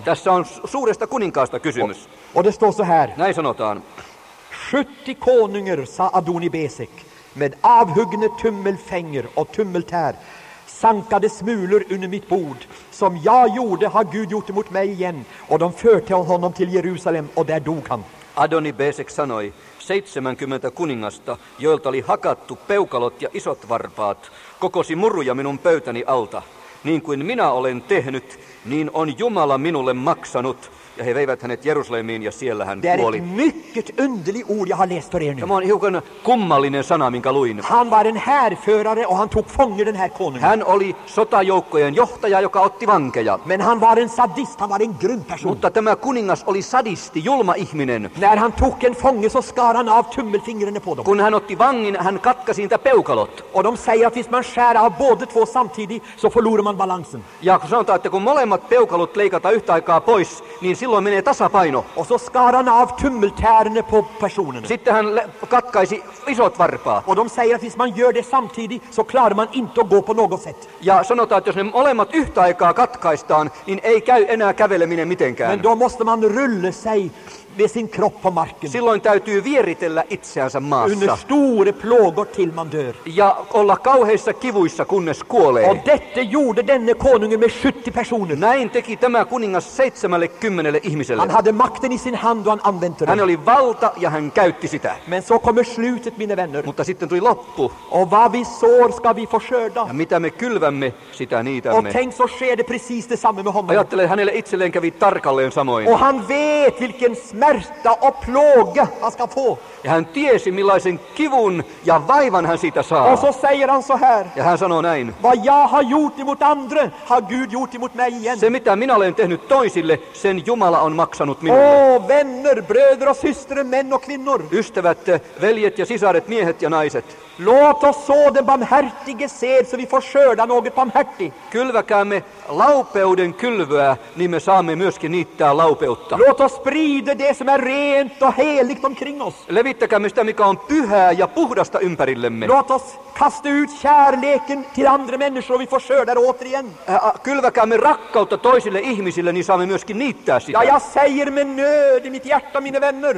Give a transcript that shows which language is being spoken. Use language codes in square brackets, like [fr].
[fi] Tässä on suuresta kuninkaasta kysymys. [sv] Och det står så här. [fi] Näin sanotaan. [sv] 70 konungar sa Adonibesek med avhuggna tummelfänger och tummeltär sankade smulor under mitt bord. Som jag gjorde har Gud gjort emot mig igen. Och de förte honom till Jerusalem och där dog han. [fi] Adonibesek sanoi 70 kuningasta, joilta oli hakattu peukalot ja isot varpaat, kokosi muruja minun pöytäni alta. Niin kuin minä olen tehnyt, niin on Jumala minulle maksanut. Ja he veivät hänet Jerusalemiin ja siellä hän kuoli. [sv] Det är ett mycket underligt ord jag har läst för er nu. [fi] Tämä on hiukan kummallinen sana, minkä luin. [sv] Han var en härförare och han tog fånger den här konungen. [fi] Hän oli sotajoukkojen johtaja, joka otti vankeja. [sv] Men han var en sadist, han var en grym person. [fi] Mutta tämä kuningas oli sadisti, julma ihminen. [sv] När han tog en fånge så skar han av tummelfingrarna på dem. [fi] Kun hän otti vangin, hän katkasi niitä peukalot. [sv] Och de säger att hvis man skär av båda två samtidigt så förlorar man balansen. [fi] Ja kun sanotaan, että kun molemmat peukalot leikata yhtä aikaa pois, niin silloin menee tasapaino. [sv] Och så skar han av tummeltärne på personen. [fi] Sitten hän katkaisi isot varpaat. [sv] Och de säger att hvis man gör det samtidigt så klarar man inte att gå på något sätt. [fi] Ja sanotaan, että jos ne molemmat yhtä aikaa katkaistaan, niin ei käy enää käveleminen mitenkään. [sv] Men då måste man rulla sig med sin kropp på marken. [fi] Silloin täytyy vieritellä itseänsä maassa. [sv] Under stora plågor till man dör. [fi] Ja olla kauheissa kivuissa kunnes kuolee. [sv] Och detta gjorde denne konungen med 70 personer. [fi] Näin teki tämä kuningas 70 ihmiselle. [sv] Han hade makten i sin hand och han använde den. [fi] Hän oli valta ja hän käytti sitä. [sv] Men så kommer slutet, mina vänner. [fi] Mutta sitten tuli loppu. [sv] Och vad vi sår ska vi få skörda. [fi] Ja mitä me kylvämme, sitä niitämme. [sv] Och tänk så sker det precis detsamma med honom. [fi] Ajattelen, hänelle itselleen kävi tarkalleen samoin. [sv] Och han vet vilken märta och plåga han ska få. [fi] Ja hän tiesi, millaisen kivun ja vaivan hän siitä saa. [sv] Och så säger han så här. [fi] Ja hän sanoo näin. [sv] Vad jag har gjort emot andra har Gud gjort emot mig igen. [fi] Se mitä minä olen tehnyt toisille, sen Jumala on maksanut minulle. [sv] Oh, vänner, bröder och systrar, män och kvinnor. [fi] Ystävät, veljet ja sisaret, miehet ja naiset. [sv] Låt oss så den barmhärtige sed så vi får skörda något barmhärtig. [fi] Kylväkäämme laupeuden kylvöä, niin me saamme myöskin niittää laupeutta. [sv] Låt oss sprida det som är rent och heligt omkring oss. [fi] Levittäkäämme sitä, mikä on pyhää ja puhdasta ympärillemme. [sv] Låt oss kasta ut kärleken till andra människor och vi får skörda det återigen. [fi] Kylväkäämme rakkautta toisille ihmisille, niin saamme myöskin niittää sitä. [sv] Ja jag säger med nöd i mitt hjärta, mina vänner.